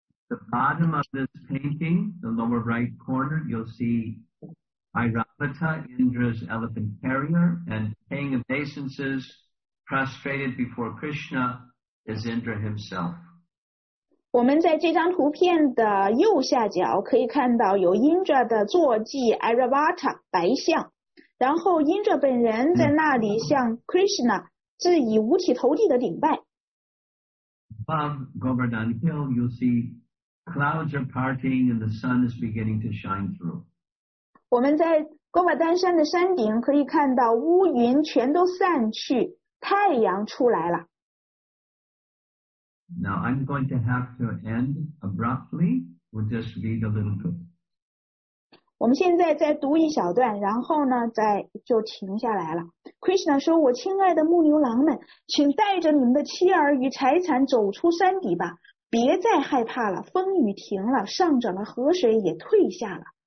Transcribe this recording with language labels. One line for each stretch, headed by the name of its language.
English: The bottom of this painting, the lower right corner, you'll see Airavata, Indra's elephant carrier, and paying obeisances, prostrated before Krishna, is Indra himself.
Chinese: 我们在这张图片的右下角可以看到有 Indra 的坐骑 Airavata 白象，然后 Indra 本人在那里向 Krishna 致以五体投地的顶拜。
English: Above Govardhan Hill, you'll see. Clouds are parting and the sun is beginning to shine through.
Chinese: 我们在勾瓦丹山的山顶可以看到乌云全都散去，太阳出来了。
English: Now I'm going to have to end abruptly. We'll just read a little bit.
Chinese: 我们现在再读一小段，然后呢，再就停下来了。 Krishna 说，我亲爱的牧牛郎们，请带着你们的妻儿与财产走出山底吧。别再害怕了，风雨停了，上涨的河水也退下了。